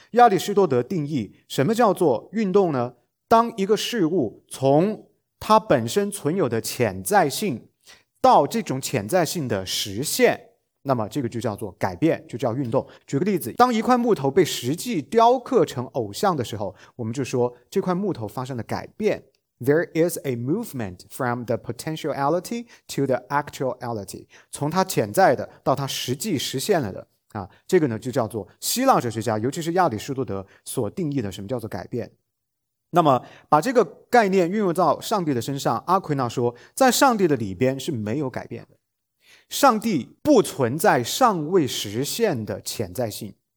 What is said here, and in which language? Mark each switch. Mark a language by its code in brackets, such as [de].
[zh] 亚里士多德定义什么叫做运动呢？当一个事物从它本身存有的潜在性到这种潜在性的实现，那么这个就叫做改变，就叫运动。举个例子，当一块木头被实际雕刻成偶像的时候，我们就说这块木头发生了改变。 [en] There is a movement from the potentiality to the actuality. [zh] 从它潜在的到它实际实现了的啊，这个呢就叫做希腊哲学家，尤其是亚里士多德所定义的什么叫做改变。那么把这个概念运用到上帝的身上，阿奎那说，在上帝的里边是没有改变的，上帝不存在尚未实现的潜在性。